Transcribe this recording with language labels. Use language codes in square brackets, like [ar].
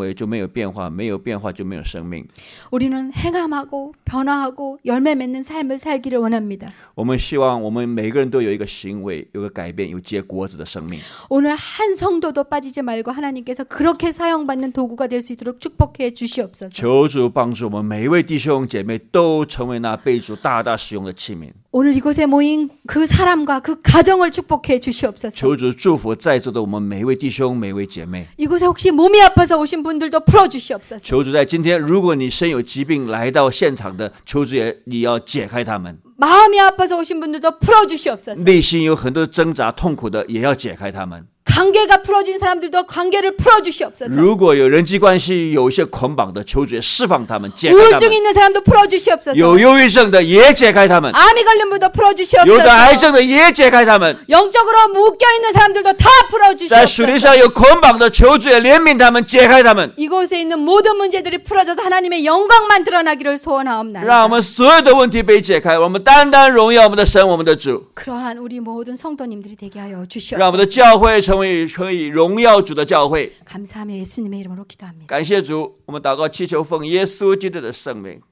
[zh] 透过今天的神的话语，如果我们没有行为，就没有变化；没有变化，就没有生命。 [ko] 우리는 행함하고 변화하고 열매 맺는 삶을 살기를 원합니다. [zh] 我们希望我们每个人都有一个行为，有个改变，有结果子的生命。 [ko] 오늘 한 성도도 빠지지 말고 하나님께서 그렇게 사용받는 도구가 될 수 있도록 축복해 주시옵소서. [zh] 求主帮助我们每一位弟兄姐妹都成为那被主大大使用的器皿。 [ko] 오늘 이곳에 모인 그 사람과 그 가정을 축복해 주시옵소서. [zh] 求主 祝福在座的我们每位弟兄每位姐妹。 [ko] 이곳에 혹시 몸이 아파서 오신 분들도 풀어 주시옵소서. [zh] 求主在今天，如果你身有疾病来到现场的，求主也你要解开他们。 [ko] 마음이 아파서 오신 분들도 풀어 주시옵소서. [zh] 内心有很多挣扎痛苦的，也要解开他们。 [ko] 관계가풀어진사람들도관계를풀어주시옵소서 [zh] 如果有人际关系有一些捆绑的，求主释放他们，解开他们。 [ko] 우울증있는사람도풀어주시옵소서 [zh] 有忧郁症的也解开他们。 [ko] 암이걸린분도풀어주시옵소서 [zh] 有得癌症的也解开他们。 [ko] 영적으로묶여있는사람들도다풀어주시옵소서 [zh] 在属灵上有捆绑的，求主怜悯他们，解开他们。 [ko] 이곳에있는모든문제들이풀어져서하나님의영광만드러나기를소원하옵나이다 [zh] 让我们所有的问题被解开，我们单单荣耀我们的神，我们的主。 [ko] 그러한우리모든성도님들이되게하여주시옵소서 [zh] 让我们的教会成为荣耀主的教会。 [ko] 감사하며예수님의이름으로기도합니다。 [zh] 感谢主，我们祷告祈求奉耶稣基督的圣名。